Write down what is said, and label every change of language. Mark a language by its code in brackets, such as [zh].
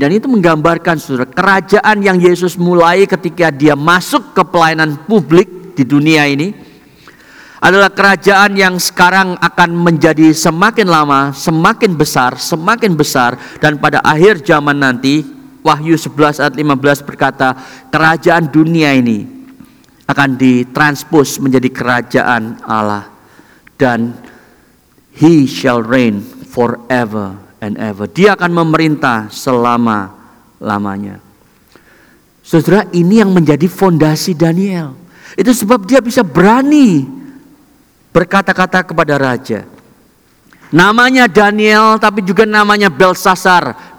[id] Dan itu menggambarkan saudara, kerajaan yang Yesus mulai ketika dia masuk ke pelayanan publik di dunia ini adalah kerajaan yang sekarang akan menjadi semakin lama, semakin besar, dan pada akhir zaman nanti, Wahyu 11 ayat 15 berkata, kerajaan dunia ini akan ditranspos menjadi kerajaan Allah. [en] Dan He shall reign forever and ever. [id] Dia akan memerintah selama-lamanya. Saudara, ini yang menjadi fondasi Daniel. Itu sebab dia bisa berani berkata-kata kepada raja. Namanya Daniel, tapi juga namanya Belsasar.